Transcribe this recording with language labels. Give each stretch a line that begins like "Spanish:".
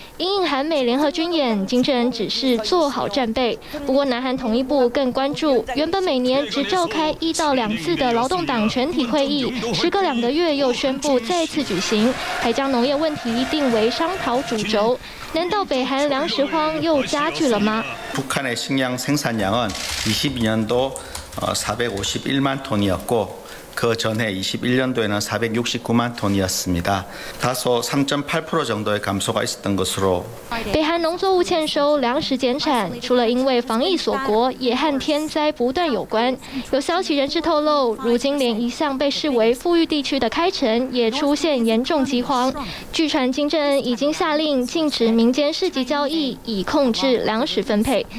Chinese: 因应韩美联合军演，金正恩只是做好战备。不过南韩统一部更关注，原本每年只召开1到2次的劳动党全体会议，时隔2个月又宣布再次举行，还将农业问题定为商讨主轴。难道北韩粮食荒又加剧了吗？
Korean: 북한의식량생산량은22년도451만톤이었고그전해21년도에는469만톤이었습니다다소 3.8% 정도의감소가있었던것으로
Chinese: 北韩农作物欠收，粮食减产，除了因为防疫锁国，也和天灾不断有关。有消息人士透露，如今连一向被视为富裕地区的开城也出现严重饥荒。据传金正恩已经下令禁止民间市集交易，以控制粮食分配。